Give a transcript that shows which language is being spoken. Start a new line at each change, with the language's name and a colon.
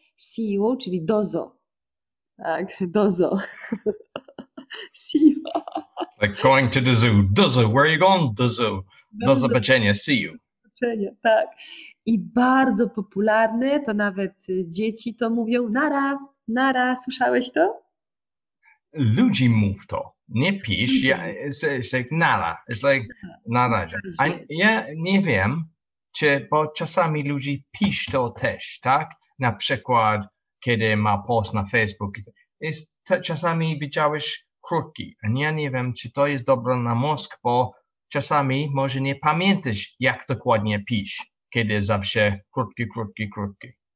English: See you,
Polish: czyli dozo. Tak, dozo.
English: See you. Like going to the zoo. Dozo, where are you going? Dozo.
Polish: Do zobaczenia,
English: see you.
Polish: Do zobaczenia, tak. I bardzo popularne, to nawet dzieci to mówią. Nara, nara, słyszałeś to? Ludzi mów to. Nie pisz, ja,
English: it's like nara, it's like na razie.
Polish: A ja nie wiem, czy, bo czasami ludzie pisz to też, tak? Na przykład, kiedy ma post na Facebook, jest, czasami widziałeś krótki, a ja nie wiem, czy to jest dobre na mózg, bo czasami może nie pamiętasz, jak dokładnie pisz, kiedy zawsze krótki, krótki, krótki.